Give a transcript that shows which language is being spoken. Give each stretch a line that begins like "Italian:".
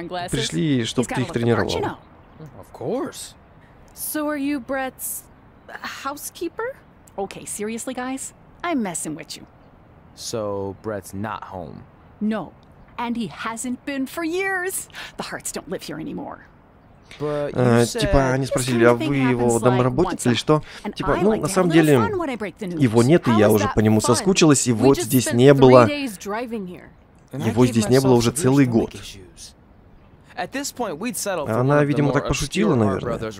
Russian: Пришли, чтобы их тренировал.
English: Of course. So are you Bret's housekeeper? Okay, seriously, guys, I'm messing with you. So Bret's not home. No. And he hasn't been for years. The Harts don't live here anymore.
Russian: Типа они спросили, а вы его домработница или что? Типа, ну на самом деле его нет, и я уже по нему соскучилась, и вот здесь не было. Его здесь не было уже целый год. Она, видимо, так пошутила, наверное.